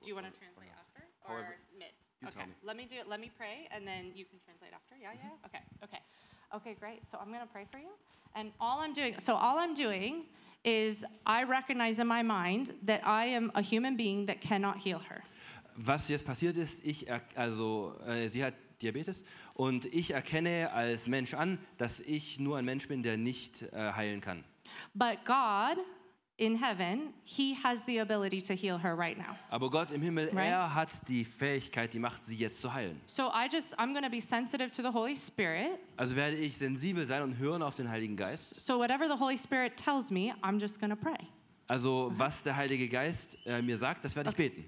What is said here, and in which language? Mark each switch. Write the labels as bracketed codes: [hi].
[en] Do you want to translate after? However, or mid? You okay. Tell me. Let me do it. Let me pray. And then you can translate after. Yeah. Mm-hmm. Yeah. Okay. Okay, great. So I'm going to pray for you. And all I'm doing is I recognize in my mind that I am a human being that cannot heal her. [de] Was jetzt passiert ist, sie hat Diabetes und ich erkenne als Mensch an, dass ich nur ein Mensch bin, der nicht heilen kann. [en] But God in heaven, he has the ability to heal her right now. [de] Aber Gott im Himmel, er hat die Fähigkeit, die Macht, sie jetzt zu heilen. [en] So I'm going to be sensitive to the Holy Spirit. [de] Also werde ich sensibel sein und hören auf den Heiligen Geist. [en] So whatever the Holy Spirit tells me, I'm just going to pray. [de] Also was der Heilige Geist mir sagt, das werde ich beten.